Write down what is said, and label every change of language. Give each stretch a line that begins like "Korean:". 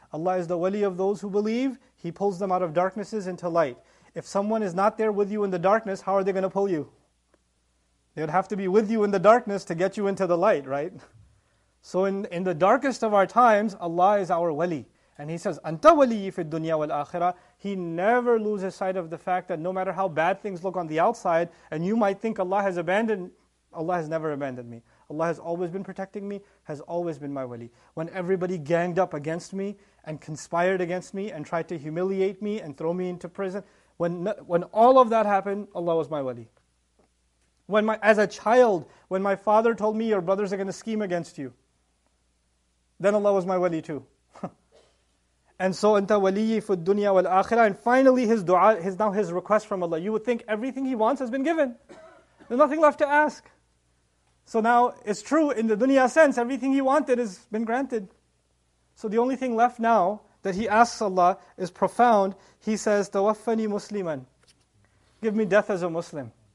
English: Allah is the wali of those who believe. He pulls them out of darknesses into light. If someone is not there with you in the darkness, how are they going to pull you? They would have to be with you in the darkness to get you into the light, right? So in the darkest of our times, Allah is our wali. And He says,
Arabic: أَنْتَ وَلِيِّ فِي الدُّنْيَا وَالْآخِرَةِ.
English: He never loses sight of the fact that no matter how bad things look on the outside, and you might think Allah has abandoned, Allah has never abandoned me. Allah has always been protecting me, has always been my wali. When everybody ganged up against me, and conspired against me, and tried to humiliate me, and throw me into prison, when all of that happened, Allah was my wali. As a child, when my father told me, your brothers are going to scheme against you, then Allah was my wali too. And so,
Arabic: أنت وليي في الدنيا والآخرة.
English: And finally, his dua, his request from Allah. You would think everything he wants has been given. There's nothing left to ask. So now, it's true, in the dunya sense, everything he wanted has been granted. So the only thing left now that he asks Allah is profound. He says,
Arabic: تَوَفَّنِي مُسْلِمًا.
English: Give me death as a Muslim.